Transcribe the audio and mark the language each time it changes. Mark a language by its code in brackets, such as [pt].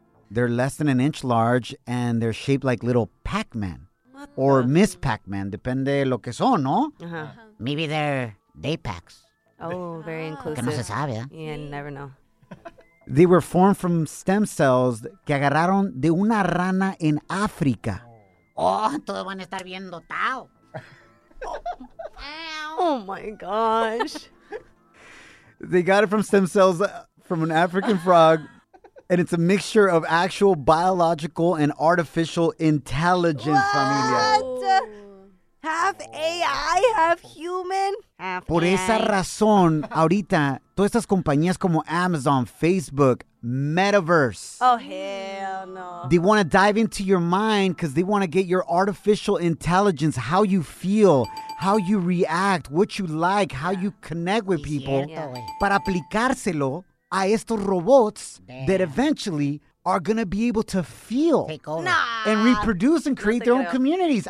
[en] They're less than an inch large, and they're shaped like little Pac-Man. Or Miss Pac-Man, [es] depende lo que son, ¿no? Uh-huh. [en] Maybe they're day packs. Oh, very inclusive. [es] Que no se sabe, ¿eh? [en] Yeah, never know. They were formed from stem cells [es] que agarraron de una rana en África. Oh, todos van a estar bien dotados. [en] Oh my gosh. They got it from stem cells from an African frog, and it's a mixture of actual biological and artificial intelligence. What? [es] Familia. [en] Half AI, half human. Half [es] Por [en] AI. [es] Esa razón, ahorita, todas estas compañías como Amazon, Facebook, Metaverse. [en] Oh, hell no. They want to dive into your mind because they want to get your artificial intelligence, how you feel, how you react, what you like, how you connect with people. Yeah. [es] Para aplicárselo a estos robots. [en] Damn. That eventually are going to be able to feel and reproduce and create their own communities.